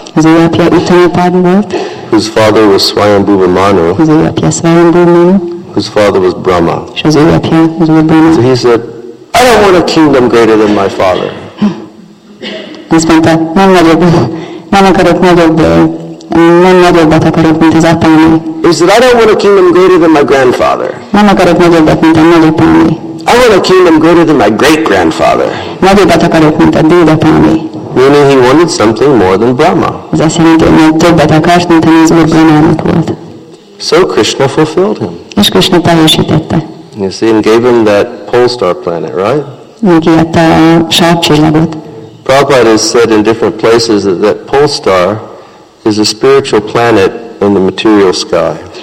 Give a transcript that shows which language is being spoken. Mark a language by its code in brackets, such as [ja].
[hu] Az ő apja Uttanapad volt. [en] Whose father was Swayambhuva Manu. [hu] Az ő apja Swayambhuva Manu. [en] Whose father was Brahma. [hu] És az ő apja az Lord Brahma. [en] So he said, I don't want a kingdom greater than my father. [hu] Azt mondta, nem nagyobbat akarok, mint az apámé. [en] He said, I don't want a kingdom greater than my grandfather. [hu] Nem akarok nagyobbat, mint a nagyapámé. [en] I want a kingdom greater than my great-grandfather. [hu] Nagyobbat akarok, mint a dédapámé. [en] Meaning he wanted something more than Brahma. [hu] Ez azt jelenti, hogy még többet akart, mint ami az Úr Brahmának volt. [en] So Krishna fulfilled him. [hu] És Krishna teljesítette. [en] You see, and gave him that pole star planet, right? [hu] Megijedte a sárcsillagot. [en] Prabhupada has said in different places that pole star is a spiritual planet in the material sky.